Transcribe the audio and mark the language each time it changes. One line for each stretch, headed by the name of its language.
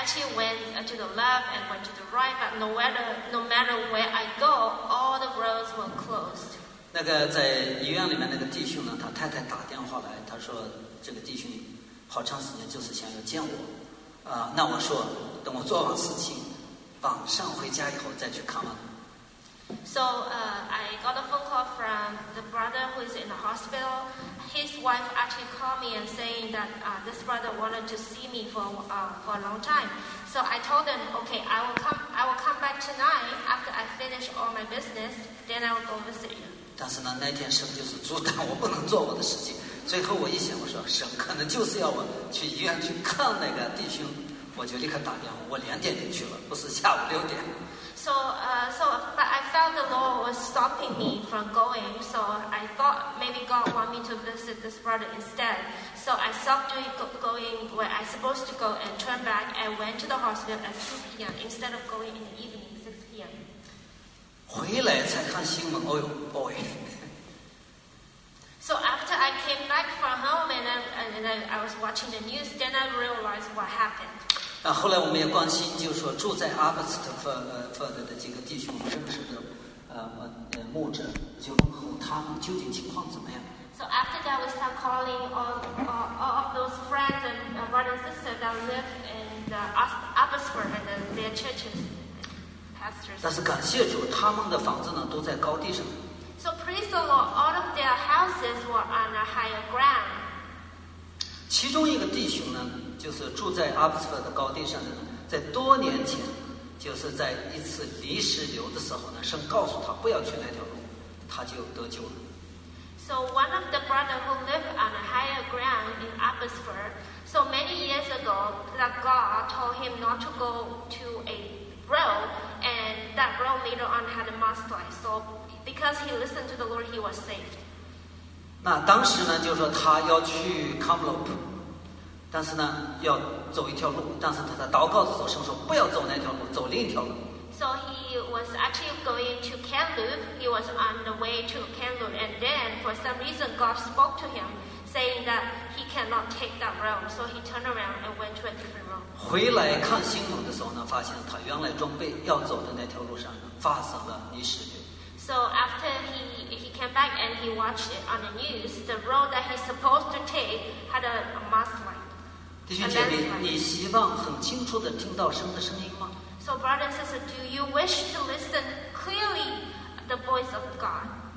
English: actually went to the left and went to the right, but no matter where I go, all the roads were closed.
Chinese: 那个在医院里面那个弟兄呢，他太太打电话来，他说这个弟兄好长时间就是想要见我，啊，那我说等我做完事情，晚上回家以后再去看吧。
English: So, I got a phone call from the brother who is in the hospital. His wife actually called me and saying that this brother wanted to see me for a long time. So I told him, okay, I will come back tonight after I finish all my business. Then I will go visit you.
Chinese: 但是呢，那天神就是阻挡我不能做我的事情。最后我一想，我说神可能就是要我去医院去看那个弟兄，我就立刻打电话，我2点就去了，不是下午6点。
English: So, but I felt the Lord was stopping me from going, so I thought maybe God want me to visit this brother instead. So I stopped going where I supposed to go and turned back and went to the hospital at 2 p.m. instead of going in the evening, 6 p.m.
Chinese: 回来才看新闻，哦哟 boy.
English: So after I came back from home and I was watching the news, then I realized what happened.
Chinese: 啊、后来我们也关心，就是说住在阿伯斯特福德的几个弟兄，我认识的牧者，就问候他们究竟情况怎么样。
English: So after that, we start calling all of those friends and brothers and sisters that live in the Abbotsford and their churches, pastors.
Chinese: 但是感谢主，他们的房子呢都在高地上。
English: So praise the Lord, all of their houses were on a higher ground.
Chinese: 其中一个弟兄呢。就是住在 Abbotsford 的高地上的，在多年前，就是在一次泥石流的时候呢，神告诉他不要去那条路，他就得救了。
English: So one of the brothers who lived on a higher ground in Abbotsford, so many years ago, that God told him not to go to a road, and that road later on had a mudslide. So because he listened to the Lord, he was saved.
Chinese: 那当时呢，就是说他要去 Kamloops。但是呢，要走一条路。但是他在祷告的时候，神说不要走那条路，走另一条路。
English: So he was actually going to Kamloops. He was on the way to Kamloops, and then for some reason, God spoke to him, saying that he cannot take that road. So he turned around and went to a different road.
Chinese: 回来看新闻的时候呢，发现他原来准备要走的那条路上发生了泥石流。
English: So after he came back and he watched it on the news, the road that he's supposed to take had a mudslide.
Chinese: 弟兄姐妹，你希望很清楚地听到神的声音吗
English: ？So brother and sister, do you wish to listen clearly the voice of God?